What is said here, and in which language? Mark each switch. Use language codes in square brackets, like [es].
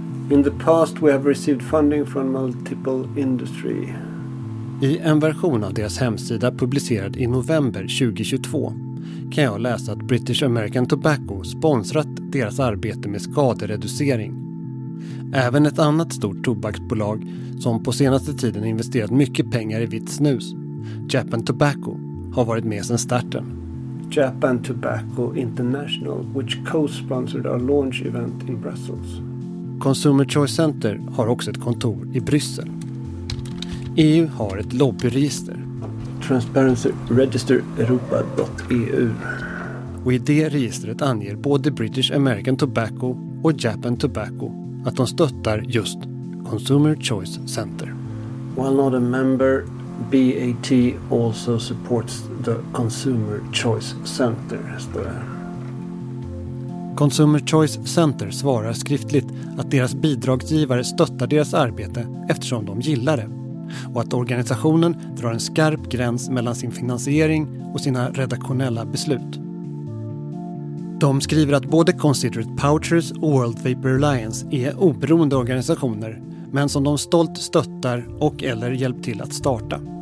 [en] In the past we have received funding from multiple industry. [sv] I en version av deras hemsida publicerad i november 2022 kan jag läsa att British American Tobacco sponsrat deras arbete med skadereducering. Även ett annat stort tobaksbolag som på senaste tiden investerat mycket pengar i vitt snus, Japan Tobacco, har varit med sedan starten. [en] Japan Tobacco International, which co-sponsored our launch event in Brussels. [sv] Consumer Choice Center har också ett kontor i Bryssel. EU har ett lobbyregister. Transparency Register Europa.eu. Och i det registret anger både British American Tobacco och Japan Tobacco att de stöttar just Consumer Choice Center. [en] While not a member, BAT also supports the Consumer Choice Center. [sv] Consumer Choice Center svarar skriftligt att deras bidragsgivare stöttar deras arbete eftersom de gillar det. Och att organisationen drar en skarp gräns mellan sin finansiering och sina redaktionella beslut. De skriver att både Considerate Pouchers och World Vapor Alliance är oberoende organisationer, men som de stolt stöttar och eller hjälpt till att starta.